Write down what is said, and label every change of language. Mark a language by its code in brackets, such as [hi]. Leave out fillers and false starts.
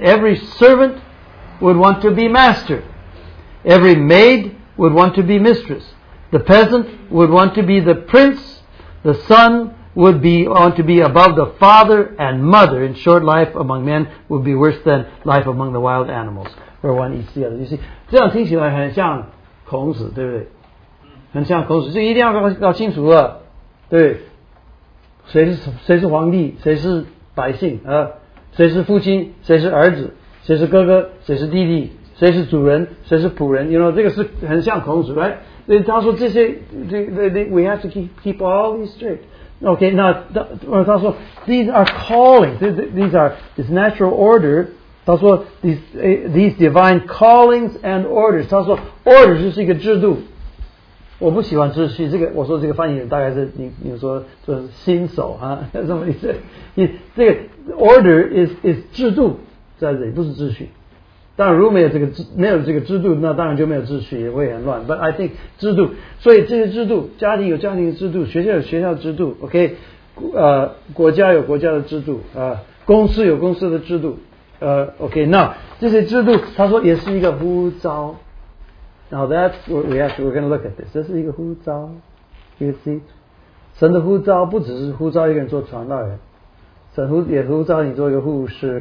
[en] Every servant would want to be master. Every maid would want to be mistress. The peasant would want to be the prince. The son would want to be above the father and mother. In short, life among men would be worse than life among the wild animals, where one eats the other. You see, [zh] 这样听起来很像孔子，对不对？很像孔子，就一定要搞清楚了，对。谁是皇帝，谁是百姓啊？谁是父亲，谁是儿子，谁是哥哥，谁是弟弟，谁是主人，谁是仆人？ You know， 这个是很像孔子 ，right？ 他说这些，这 ， [en] we have to keep all these straight。 OK， 那他说 these are callings， these are this natural order。 [zh] 他说 [en] these divine callings and orders。 [zh] 他说 order 就是一个制度。我不喜欢秩序，这个我说这个翻译人大概是你说就是新手啊，什么意思？这个 [en] order is [zh] 制度在这里，不是秩序。当然，如果没有这个制度，那当然就没有秩序，也会很乱。 [en] But I think [zh] 制度，所以这些制度，家庭有家庭的制度，学校有学校的制度 ，OK， 国家有国家的制度啊、公司有公司的制度，OK， 那这些制度，他说也是一个不招。 [en] Now that's what we're going to look at this. [zh] 这是一个呼召， [en] you see， [zh] 神的呼召不只是呼召一个人做传道人，神也呼召你做一个护士。